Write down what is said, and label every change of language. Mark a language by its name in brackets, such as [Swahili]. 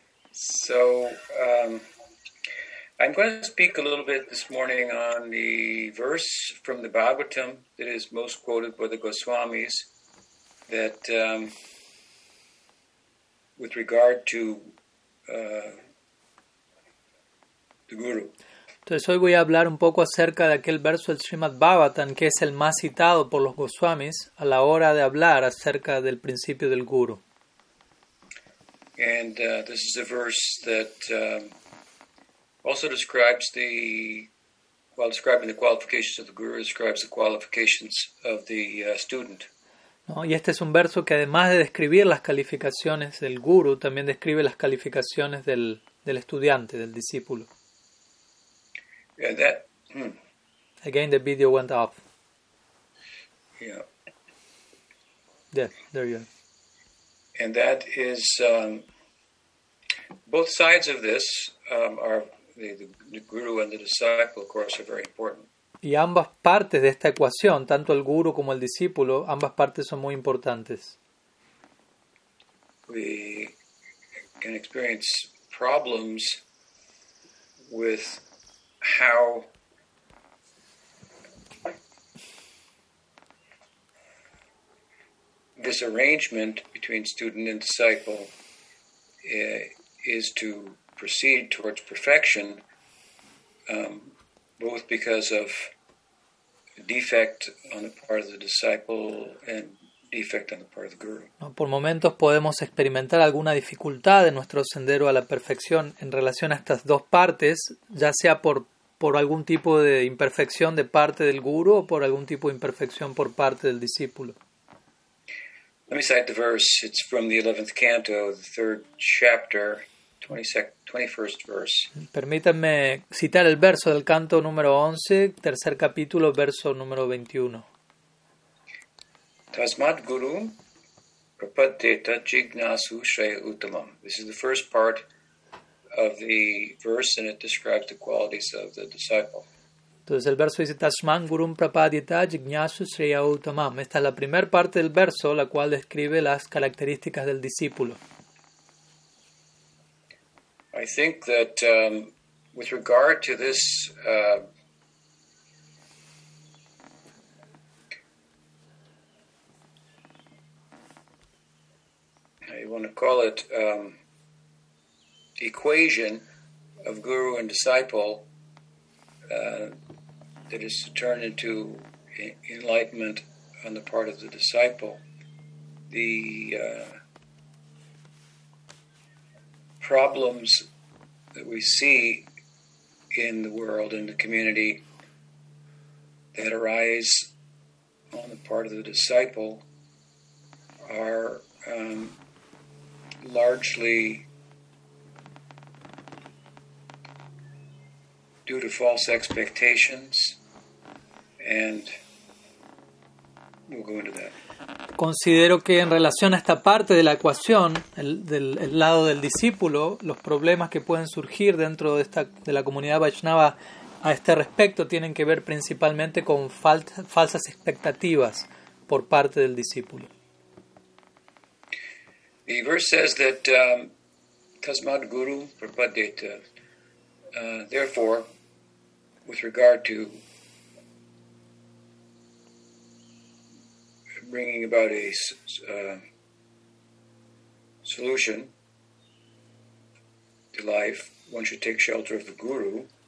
[English] So, I'm going to speak a little bit this morning on the verse from the Bhagavatam that is most quoted by the Goswamis, that with regard to the Guru. [Spanish] Entonces hoy voy a hablar un poco acerca de aquel verso del Srimad Bhagavatam que es el más citado por los Goswamis a la hora de hablar acerca del principio del Guru. [English] And this is a verse that also describes the, while describing the qualifications of the Guru, describes the qualifications of the student. [Spanish] ¿No? Y este es un verso que además de describir las calificaciones del Guru, también describe las calificaciones del estudiante, del discípulo. [English] Yeah, that, Again, the video went off. Yeah. Yeah, there you are. And that is, both sides of this are, the guru and the disciple, of course, are very important. [Spanish] Y ambas partes de esta ecuación, tanto el guru como el discípulo, ambas partes son muy importantes. [English] We can experience problems with how this arrangement between student and disciple is to proceed towards perfection, both because of defect on the part of the disciple and defect on the part of the guru. [Spanish] No, por momentos podemos experimentar alguna dificultad en nuestro sendero a la perfección en relación a estas dos partes, ya sea por algún tipo de imperfección de parte del guru o por algún tipo de imperfección por parte del discípulo. [English] Let me cite the verse. It's from the 11th canto, the 3rd chapter, 21st verse. [Spanish] Permítanme citar el verso del canto número 11, tercer capítulo, verso número 21. [Sanskrit] Tasmat guru prapadeta jignasu shreya uttamam. [English] This is the first part of the verse, and it describes the qualities of the disciple. [Spanish] Entonces el verso dice [Sanskrit] Tasman gurum prapadita jignasu shreya uttamam. [Spanish] Esta es la primera parte del verso, la cual describe las características del discípulo. [English] I think that with regard to this how you want to call it, equation of guru and disciple that is turned into enlightenment on the part of the disciple. The problems that we see in the world, in the community, that arise on the part of the disciple are largely due to false expectations, and we'll go into that. [Spanish] Considero que en relación a esta parte de la ecuación, el lado del discípulo, los problemas que pueden surgir dentro de esta de la comunidad Vaishnava a este respecto tienen que ver principalmente con falsas expectativas por parte del discípulo. [English] The verse says that [Sanskrit] Tasmad Guru Prapadeta, [English] therefore, with regard to bringing about a solution to life, one should take shelter of the guru.